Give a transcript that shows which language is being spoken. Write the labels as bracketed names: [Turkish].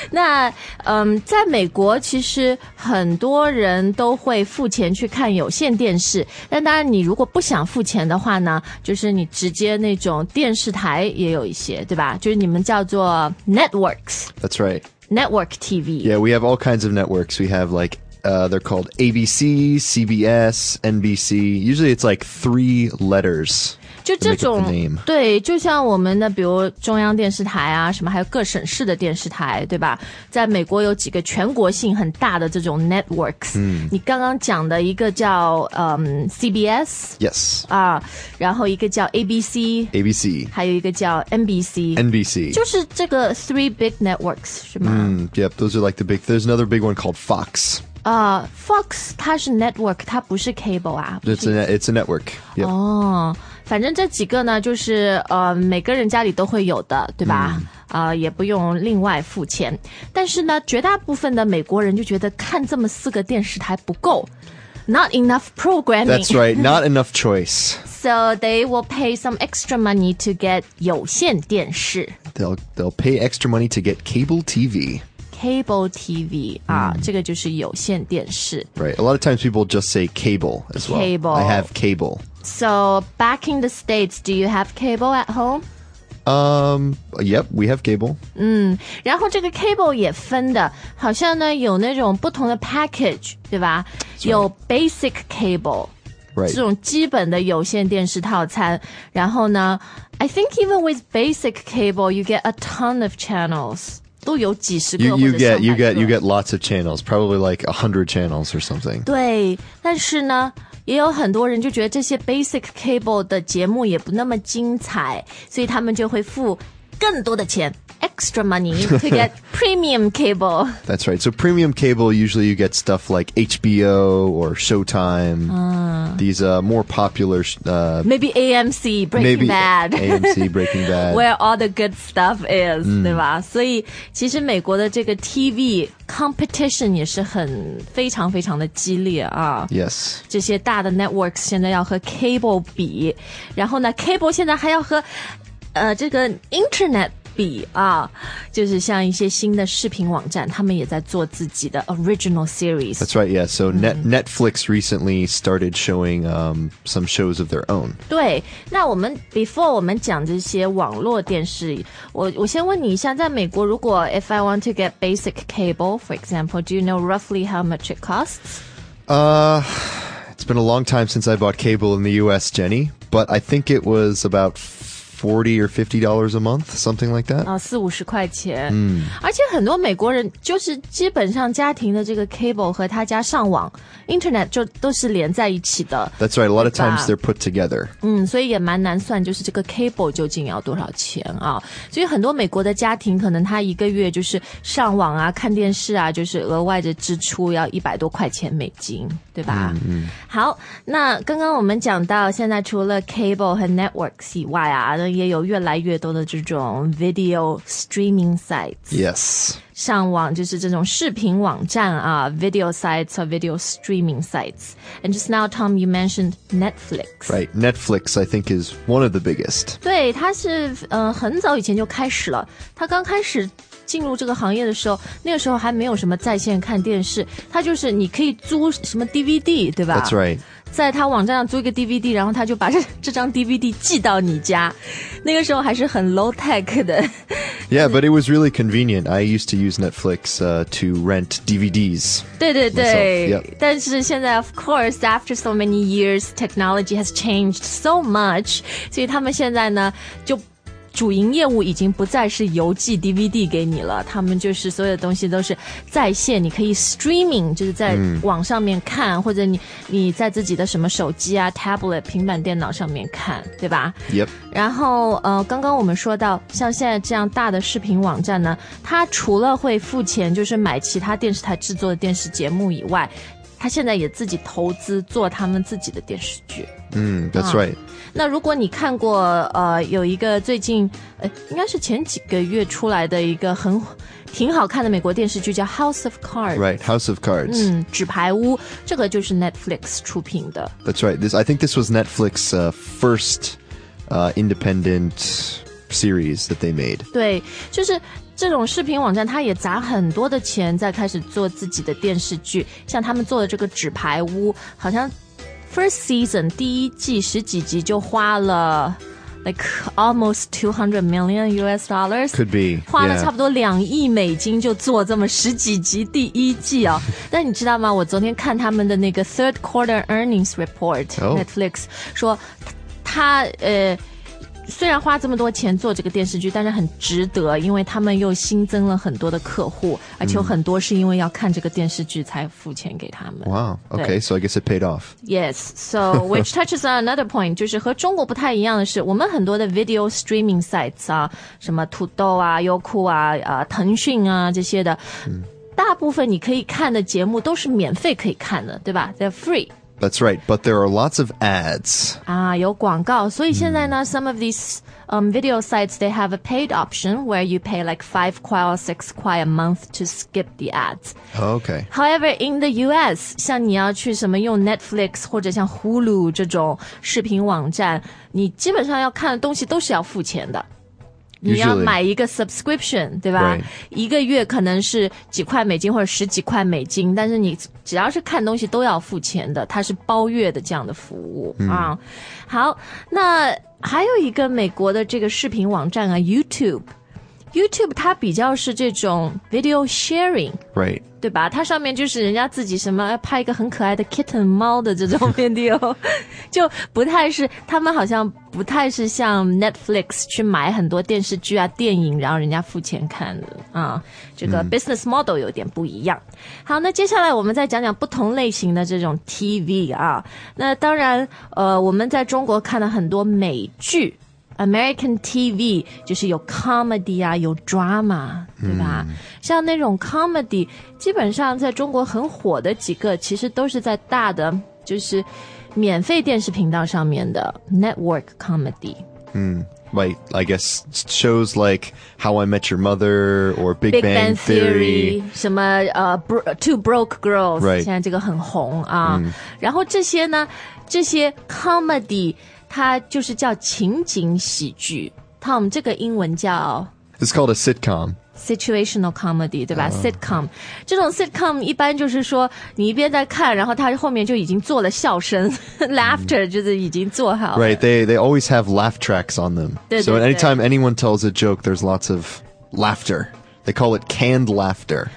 [Chinese] 那在美国其实很多人都会付钱去看有线电视，但当然你如果不想付钱的话呢，就是你直接那种电视台也有一些，对吧？就是你们叫做 networks. [English] That's right. Network TV. Yeah, we have all kinds of networks. We have like, they're called ABC, CBS, NBC. Usually it's like three letters. [Chinese] 就这种，对，就像我们的比如中央电视台啊，什么还有各省市的电视台，对吧？在美国有几个全国性很大的这种 networks、嗯、你刚刚讲的一个叫CBS [English] Yes、 [Chinese] 啊、然后一个叫 ABC [English] ABC [Chinese] 还有一个叫 NBC [English] NBC [Chinese] 就是这个 three big networks 是吗、 [English] 嗯、Yep, those are like the big, there's another big one called Fox [Chinese] Fox 它是 network, 它不是 cable 啊 [English] It's a network、yep. [Chinese] 哦反正这几个呢就是每个人家里都会有的对吧、嗯、也不用另外付钱。但是呢绝大部分的美国人就觉得看这么四个电视台不够。 [English] Not enough programming. That's right, not enough choice. So they will pay some extra money to get 有线电视。 They'll pay extra money to get cable TV. [Chinese] Cable TV,、这个就是有线电视。 [English] Right, a lot of times people just say cable as well. Cable. I have cable. So, back in the States, do you have cable at home? Yep, we have cable. [Chinese] 嗯，然后这个 cable 也分的，好像呢有那种不同的 package, 对吧？有 basic cable, [English] right. [Chinese] 这种基本的有线电视套餐。 [English] 然后呢 I think even with basic cable, you get a ton of channels. [Chinese] 都有几十个或者上百个。 [English] You get lots of channels, probably like 100 channels or something. [Chinese] 对，但是呢，也有很多人就觉得这些 basic cable 的节目也不那么精彩，所以他们就会付更多的钱 ， [English] extra money to get premium cable. That's right. So premium cable usually you get stuff like HBO or Showtime.、These more popular. Maybe AMC Breaking maybe Bad. AMC Breaking Bad. Where all the good stuff is,、对吧？ [Chinese] 所以其实美国的这个 TV competition 也是很非常非常的激烈啊。 [English] Yes. [Chinese] 这些大的 networks 现在要和 cable 比，然后呢 ，cable 现在还要和。这个 internet 比啊，就是像一些新的视频网站，他们也在做自己的 original series. [English] That's right, yeah. So Netflix recently started showing some shows of their own. [Chinese] 对，那我们 before 我们讲这些网络电视，我先问你一下，在美国，如果 [English] if I want to get basic cable, for example, do you know roughly how much it costs? It's been a long time since I bought cable in the U.S., Jenny, but I think it was about $40 or $50 a month, something like that. [Chinese] 四五十块钱。嗯，而且很多美国人就是基本上家庭的这个 cable 和他家上网 internet 就都是连在一起的。 [English] That's right. A lot of times they're put together. [Chinese] 嗯，所以也蛮难算，就是这个 cable 究竟要多少钱啊？所以很多美国的家庭可能他一个月就是上网啊、看电视啊，就是额外的支出要100多块钱美金，对吧？嗯。好，那刚刚我们讲到，现在除了 cable 和 networks 以外啊。也有越来越多的这种 video streaming sites. [English] Yes. [Chinese] 上网就是这种视频网站啊 video sites or video streaming sites. [English] And just now, Tom, you mentioned Netflix. Right. Netflix, I think, is one of the biggest. [Chinese] 对，它是很早以前就开始了。它刚开始进入这个行业的时候，那个时候还没有什么在线看电视。它就是你可以租什么 DVD, 对吧 [English] ?That's right. [Chinese] 在他网站上租一个 DVD, 然后他就把这张 DVD 寄到你家。那个时候还是很 low tech 的。 [English] Yeah, but it was really convenient. I used to use Netflix to rent DVDs. [Chinese] 对对对。 [English] Yep. 但是现在 of course, after so many years, technology has changed so much. [Chinese] 所以他们现在呢就主营业务已经不再是邮寄 DVD 给你了，他们就是所有的东西都是在线，你可以 streaming， 就是在网上面看，或者你在自己的什么手机啊 tablet 平板电脑上面看，对吧？ [English] Yep。 [Chinese] 然后刚刚我们说到像现在这样大的视频网站呢，它除了会付钱就是买其他电视台制作的电视节目以外，他现在也自己投资做他们自己的电视剧。 [English] That's right。 [Chinese] 那如果你看过有一个最近应该是前几个月出来的一个很挺好看的美国电视剧叫 House of Cards。 [English] Right, House of Cards。 [Chinese] 纸牌屋，这个就是 Netflix 出品的。 [English] That's right, I think this was Netflix first independent series that they made。 [Chinese] 对，就是这种视频网站它也砸很多的钱在开始做自己的电视剧，像他们做的这个纸牌屋好像 first season 第一季十几集就花了 [English] like almost $200 million US dollars， could be [Chinese] 花了差不多2亿美金就做这么十几集第一季哦。但你知道吗，我昨天看他们的那个 third quarter earnings report、 [English] oh. [Chinese] Netflix 说他虽然花这么多钱做这个电视剧，但是很值得，因为他们又新增了很多的客户，而且很多是因为要看这个电视剧才付钱给他们。 [English] Wow, okay, so I guess it paid off. Yes, so which touches on another point, [Chinese] 就是和中国不太一样的是，我们很多的 video streaming sites 啊，什么土豆啊、优酷啊、腾讯啊这些的，大部分你可以看的节目都是免费可以看的，对吧？ [English] They're free. That's right, but there are lots of ads. [Chinese] 啊，有广告，所以现在呢， [English] some of these video sites, they have a paid option where you pay like 5 kwai or 6 kwai a month to skip the ads. Okay. However, in the US, [Chinese] 像你要去什么用 Netflix 或者像 Hulu 这种视频网站，你基本上要看的东西都是要付钱的。你要买一个 subscription， 对吧？ [English] Right. [Chinese] 一个月可能是几块美金或者十几块美金，但是你只要是看东西都要付钱的，它是包月的这样的服务啊。好，那还有一个美国的这个视频网站啊 ，YouTube 它比较是这种 video sharing， [English] right， [Chinese] 对吧？它上面就是人家自己什么拍一个很可爱的 kitten 猫的这种 video， 就不太是，他们好像不太是像 Netflix 去买很多电视剧啊、电影，然后人家付钱看的啊，这个 business model 有点不一样。好，那接下来我们再讲讲不同类型的这种 TV 啊。那当然，我们在中国看了很多美剧。 American TV 就是有 comedy 啊，有 drama， 对吧？像那种 comedy， 基本上在中国很火的几个，其实都是在大的，就是免费电视频道上面的 network comedy。 [English] Right, I guess shows like How I Met Your Mother or Big Bang Theory [Chinese] 什么Two Broke Girls，、 [English] right. [Chinese] 现在这个很红啊。然后这些呢，这些 comedy。它就是叫情景喜剧 Tom 这个英文叫 [English] It's called a sitcom Situational comedy 对吧、oh. [Chinese] Sitcom 这种 sitcom 一般就是说你一边在看然后它后面就已经做了笑声Laughter 就是已经做好了 [English] Right they always have laugh tracks on them [Chinese] 对对对 [English] So anytime anyone tells a joke there's lots of laughterThey call it canned laughter.